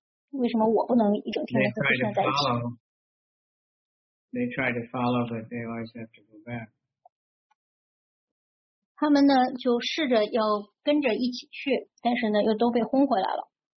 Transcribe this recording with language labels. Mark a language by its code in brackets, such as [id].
[zh] 为什么我不能一整天的和 Krishna 在一起 [en] ？They try to follow, but they always have to go back. [zh] 他们呢，就试着要。跟着一起去，但是呢，又都被轰回来了。